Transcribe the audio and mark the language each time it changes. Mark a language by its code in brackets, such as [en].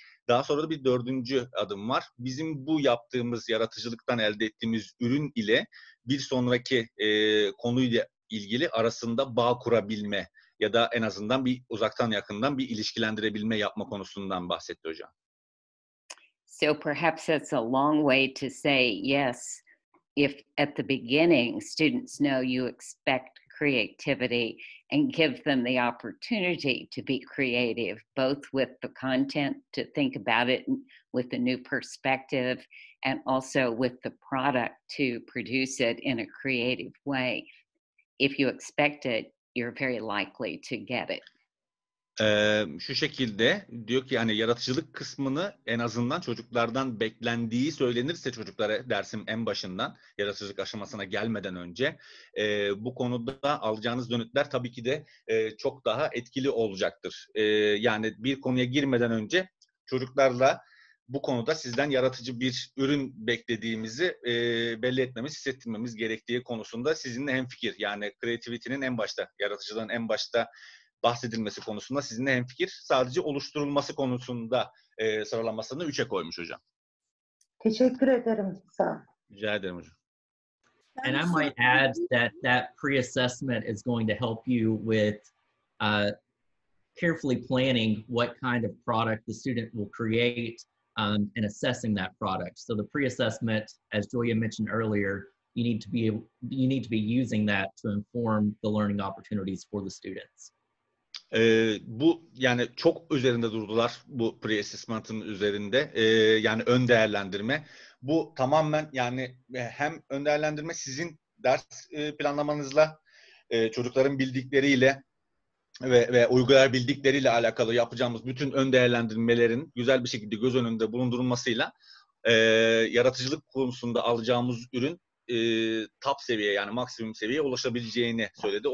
[tr] Daha sonra da bir dördüncü adım var. Bizim bu yaptığımız yaratıcılıktan elde ettiğimiz ürün ile bir sonraki konuyla ilgili arasında bağ kurabilme ya da en azından bir uzaktan yakından bir ilişkilendirebilme yapma konusundan bahsetti hocam. [en] So perhaps that's a long way to say yes, if at the beginning students know you expect creativity and give them the opportunity to be creative, both with the content, to think about it with a new perspective, and also with the product to produce it in a creative way. If you expect it, you're very likely to get it. [tr] Şu şekilde diyor ki, hani yaratıcılık kısmını en azından çocuklardan beklendiği söylenirse çocuklara dersim en başından, yaratıcılık aşamasına gelmeden önce, bu konuda alacağınız dönütler tabii ki de çok daha etkili olacaktır. Yani bir konuya girmeden önce çocuklarla bu konuda sizden yaratıcı bir ürün beklediğimizi belli etmemiz, hissettirmemiz gerektiği konusunda sizinle hemfikir. Yani creativity'nin en başta, yaratıcılığın en başta bahsedilmesi konusunda sizinle hemfikir. Sadece oluşturulması konusunda sıralamasını 3'e koymuş hocam. Teşekkür ederim. Sağ ol. Rica ederim hocam. [en] And I might add that that pre-assessment is going to help you with carefully planning what kind of product the student will create and assessing that product. So the pre-assessment, as Joya mentioned earlier, you need to be using that to inform the learning opportunities for the students. [tr] Bu yani çok üzerinde durdular, bu pre-assessment'ın üzerinde, yani ön değerlendirme. Bu tamamen yani hem ön değerlendirme sizin ders planlamanızla, çocukların bildikleriyle ve uygulayabildikleriyle alakalı yapacağımız bütün ön değerlendirmelerin güzel bir şekilde göz önünde bulundurulmasıyla yaratıcılık konusunda alacağımız ürün top seviyeye, yani maksimum seviyeye ulaşabileceğini söyledi.